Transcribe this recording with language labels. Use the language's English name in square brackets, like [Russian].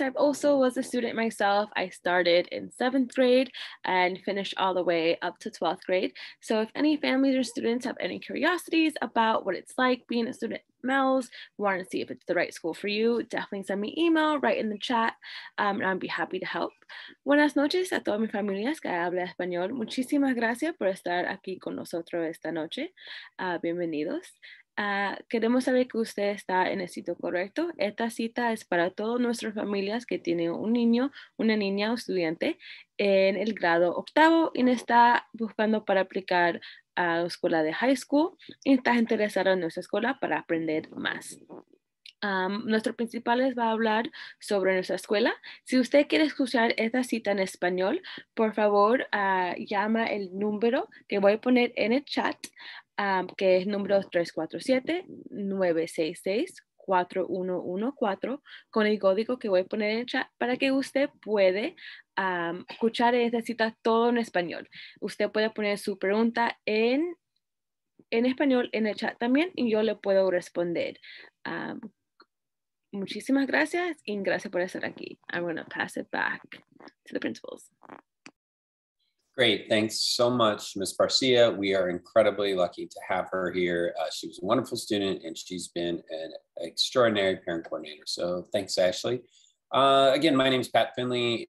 [English] I've also was a student myself. I started in seventh grade and finished all the way up to 12th grade. So if any families or students have any curiosities about what it's like being a student at MELS, want to see if it's the right school for you, definitely send me an email right in the chat and I'd be happy to help. [Spanish] Buenas noches a todas mis familias que habla español. Muchísimas gracias por estar aquí con nosotros esta noche. Bienvenidos. Queremos saber que usted está en el sitio correcto. Esta cita es para todas nuestras familias que tienen un niño, una niña o estudiante en el grado octavo y está buscando para aplicar a la escuela de high school y está interesado en nuestra escuela para aprender más. Nuestro principal les va a hablar sobre nuestra escuela. Si usted quiere escuchar esta cita en español, por favor, llama el número que voy a poner en el chat. Que es número 347-966-4114, con el código que voy a poner en el chat para que usted puede escuchar esta cita todo en español. Usted puede poner su pregunta en español en el chat también y yo le puedo responder. Muchísimas gracias y gracias por estar aquí. [English] I'm going to pass it back to the principals. Great. Thanks so much, Ms. Barcia. We are incredibly lucky to have her here. She was a wonderful student and she's been an extraordinary parent coordinator. So thanks, Ashley. Again, my name is Pat Finley.